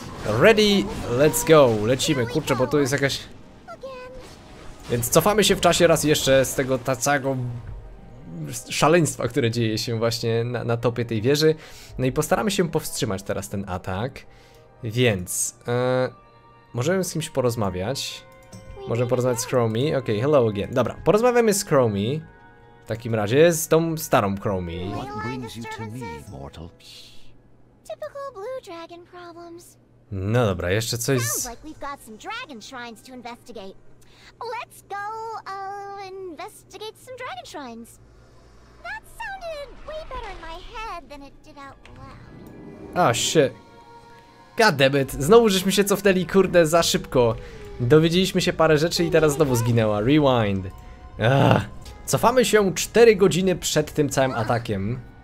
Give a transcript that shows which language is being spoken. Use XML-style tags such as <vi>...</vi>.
<en>Ready, let's go,</en> <pl>lecimy, kurczę, bo tu jest jakaś... Więc cofamy się w czasie raz jeszcze z tego tacego szaleństwa, które dzieje się właśnie na topie tej wieży. No i postaramy się powstrzymać teraz ten atak. Więc, możemy z kimś porozmawiać. Możemy porozmawiać z Chromie. Okej,</pl> <en>okay, hello again.</en> <pl>Dobra, porozmawiamy z Chromie. W takim razie z tą starą Chromie.</pl> <en>What brings you to me, mortal? Typical blue dragon problems.</en> <pl>No dobra, jeszcze coś z...</pl> <en>Sounds like we've got some dragon shrines to investigate. Let's go, investigate some dragon shrines. That sounded way better in my head than it did out loud. Oh shit.</en> <pl>Goddammit, znowu żeśmy się cofnęli, kurde, za szybko. Dowiedzieliśmy się parę rzeczy i teraz znowu zginęła. Rewind. Ugh. Cofamy się 4 godziny przed tym całym atakiem.</pl>